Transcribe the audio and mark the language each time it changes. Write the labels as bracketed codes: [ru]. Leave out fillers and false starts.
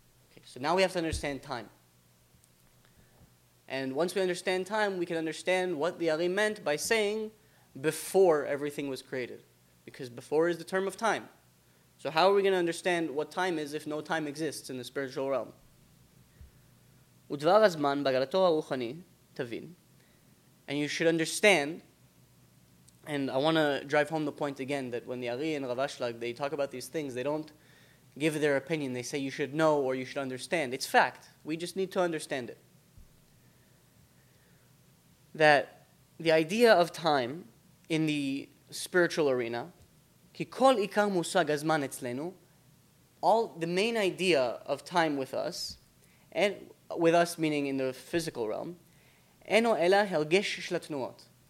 [en] Okay, so now we have to understand time. And once we understand time, we can understand what the Ari meant by saying before everything was created. Because before is the term of time. So how are we going to understand what time is if no time exists in the spiritual realm? [he] ודבר הזמן בגלתו הרוחני, תבין. [en] And you should understand, and I want to drive home the point again, that when the Ari and Rav Ashlag, they talk about these things, they don't give their opinion. They say you should know or you should understand. It's fact. We just need to understand it. That the idea of time in the spiritual arena, [he] כי כל עיקר מושג הזמן אצלנו, [en] all the main idea of time with us, and with us meaning in the physical realm, [he] אינו אלא הרגש של התנועות.